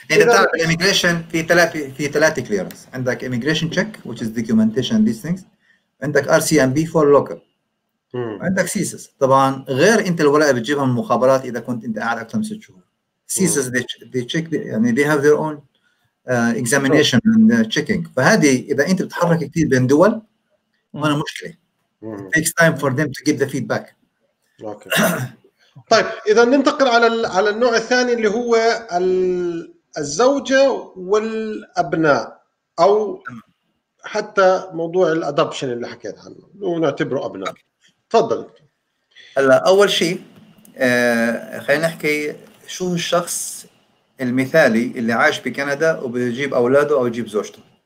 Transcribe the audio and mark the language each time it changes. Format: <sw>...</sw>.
<ar>إذا تعرف الإميجريشن في ثلاث كليرنس، عندك إميجريشن تشيك</ar> <en>which is documentation these things،</en> <ar>عندك RCMP</ar> <en>for local،</en> <ar>عندك CSIS طبعاً، غير أنت الورقة بتجيبها من المخابرات إذا كنت أنت قاعد أكثر من 6 شهور.</ar> <en>CSIS they check يعني they have their own examination and checking،</en> <ar>فهذه إذا أنت بتحرك كثير بين دول هنا مشكلة.</ar> <en>takes time for them to give the feedback.</en> <ar>طيب إذا ننتقل على النوع الثاني اللي هو الزوجة والأبناء، أو حتى موضوع الأدابشن اللي حكيت عنه ونعتبره أبناء. تفضل. هلا أول شيء خلينا نحكي شو الشخص المثالي اللي عايش بكندا وبيجيب أولاده أو يجيب زوجته.</ar>